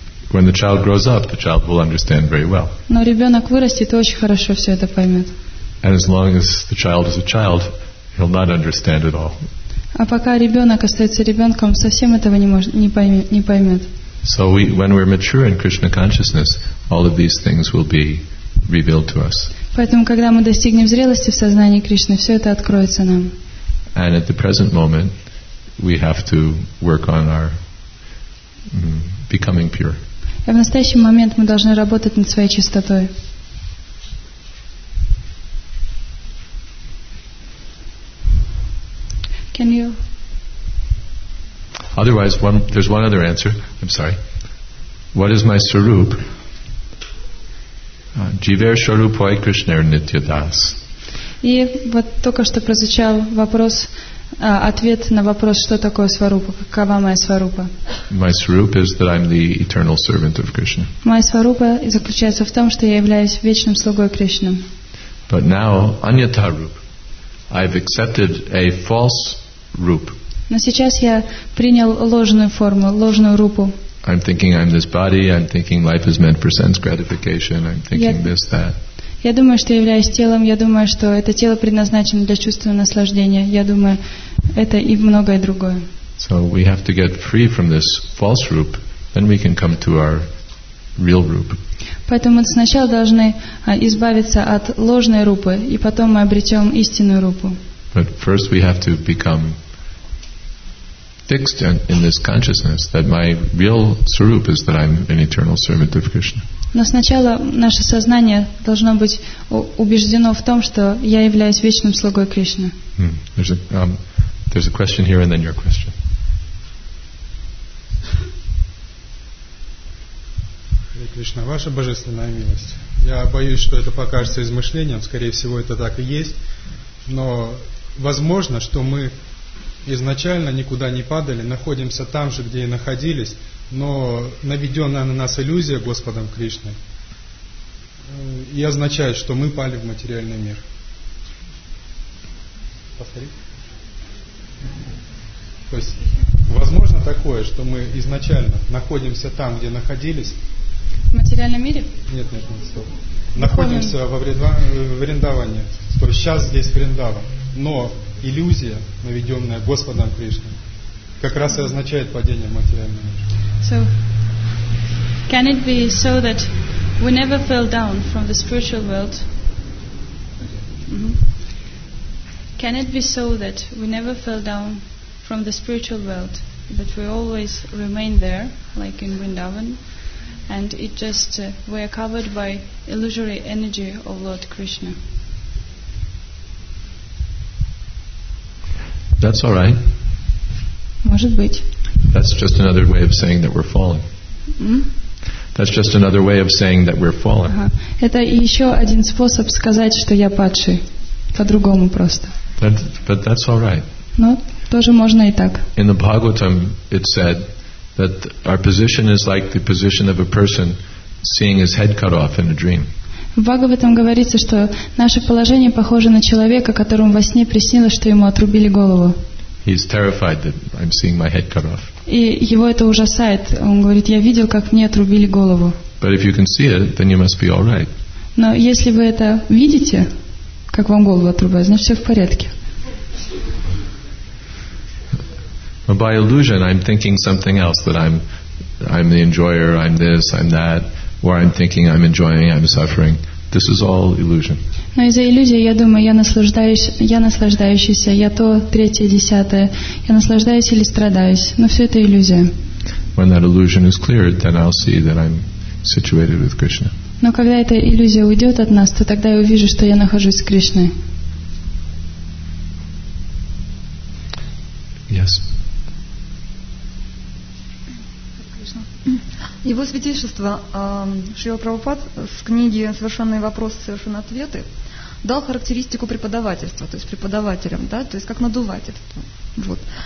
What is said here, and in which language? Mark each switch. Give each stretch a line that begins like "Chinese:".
English: When the child grows up, the child will understand very well.
Russian: Но ребенок вырастет, и очень хорошо все это поймет.
English: And as long as the child is a child, he'll not understand at all.
Russian: А пока ребенок остается ребенком, совсем этого не поймет.
English: So when we're mature in Krishna consciousness, all of these things will be revealed to us.
Russian: Поэтому, когда мы достигнем зрелости в сознании Кришны, все это откроется нам.
English: And at the present moment, we have to work on our becoming pure.
Russian: И в настоящий момент мы должны работать над своей чистотой.
English: Can you? Otherwise, there's one other answer. I'm sorry. What is my sarup?
Bangla: Jivar sarupoi Krishner nitya das.
Russian: И вот только что прозвучал вопрос, ответ на вопрос, что такое сварупа, какова моя сварупа.
English: My sarup is that I'm the eternal servant of Krishna.
Russian: Моя сварупа заключается в том, что я являюсь вечным слугой Кришны.
English: But now,
Bangla: anyata rup,
English: I've accepted a false rup.
Russian: Но сейчас я принял ложную форму, ложную рупу.
English: I'm thinking I'm this body, I'm thinking life is meant for sense gratification, I'm thinking this, that.
Russian: Я думаю, что являюсь телом, я думаю, что это тело предназначено для чувства наслаждения, я думаю, это и многое другое.
English: So we have to get free from this false rup, then we can come to our real rup.
Russian: Поэтому мы сначала должны избавиться от ложной рупы, и потом мы обретем истинную рупу.
English: But first we have to become fixed in this consciousness that my real sarup is that I'm an eternal servant of Krishna.
Russian: Но сначала наше сознание должно быть убеждено в том, что я являюсь вечным слугой Кришны.
English: There's a question here and then your question.
Russian: Hare Krishna, ваша божественная милость. Я боюсь, что это покажется измышлением, скорее всего, это так и есть. Но возможно, что мы изначально никуда не падали, находимся там же, где и находились, но наведенная на нас иллюзия Господом Кришной и означает, что мы пали в материальный мир. Повтори. То есть, возможно такое, что мы изначально находимся там, где находились. В материальном мире? Нет, нет, нет, стоп. Находимся в Вриндаване. То есть, сейчас здесь Вриндаван. Но иллюзия, наведенная Господом Кришной, как раз и означает падение в материальный мир.
English: So, can it be so that we never fell down from the spiritual world? Mm-hmm. Can it be so that we never fell down from the spiritual world, that we always remain there, like in Vrindavan, and it just we are covered by illusory energy of Lord Krishna? That's all right.
Russian: Может быть.
English: That's just another way of saying that we're fallen. That's just another way of saying that we're fallen.
Russian: Это еще один способ сказать, что я падший. По-другому просто.
English: But that's all right.
Russian: Но тоже можно и так.
English: In the Bhagavatam, it said that our position is like the position of a person seeing his head cut off in a dream.
Russian: В Бхагаватам говорится, что наше положение похоже на человека, которому во сне приснилось, что ему отрубили голову.
English: He's terrified that I'm seeing my head cut off.
Russian: И его это ужасает. Он говорит, я видел, как мне отрубили голову.
English: But if you can see it, then you must be all right.
Russian: Но если вы это видите, как вам голову отрубают, значит все в порядке.
English: But by illusion, I'm thinking something else, that I'm the enjoyer, I'm this, I'm that, or I'm thinking I'm enjoying, I'm suffering. This is all illusion.
Russian: Но из-за иллюзии я думаю, я наслаждающийся, я то, третье, десятое. Я наслаждаюсь или страдаюсь. Но все это иллюзия.
English: When that illusion is cleared, then I'll see that I'm situated with Krishna.
Russian: Но когда эта иллюзия уйдет от нас, то тогда я увижу, что я нахожусь с Кришной.
English: Yes.
Russian: Его святейшество Шрила Прабхупад в книге «Совершенные вопросы, совершенные ответы» дал характеристику преподавательства, то есть преподавателям, да, то есть как надувать это. Вот.